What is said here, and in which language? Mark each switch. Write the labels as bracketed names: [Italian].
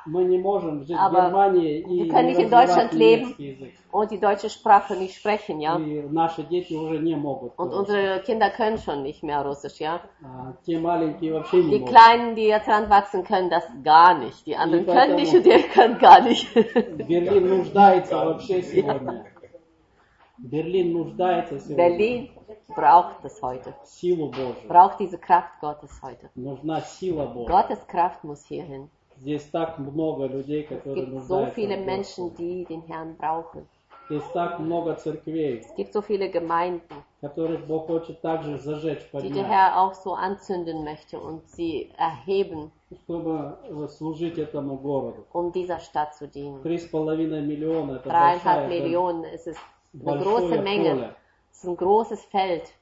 [German] Aber wir können nicht in Deutschland leben und die deutsche Sprache nicht sprechen, ja? Und unsere Kinder können schon nicht mehr Russisch, ja? Die Kleinen, die jetzt ranwachsen, können das gar nicht. Die anderen können nicht und ihr könnt gar nicht. [Russian] Berlin нуждается вообще сегодня. Berlin нуждается сегодня. [German] Berlin braucht es heute. [Russian] Силу Божию. [German] Braucht diese Kraft Gottes heute. [Russian] Нужна сила Божия. [German] Gottes Kraft muss hierhin. [Russian] Здесь так много людей, которые нуждаются. [German] Es gibt so viele Menschen, die den Herrn brauchen. [Russian] Здесь так много церквей. [German] Es gibt so viele Gemeinden. [Russian] Которых Бог хочет также зажечь, поднять. [German] Die der Herr auch so anzünden möchte und sie erheben. [Russian] Чтобы служить этому городу. [German] Um dieser Stadt zu dienen. [Russian] 3,5 Millionen. [German] 3,5 Millionen. Es ist eine große Menge, es ist ein großes Feld.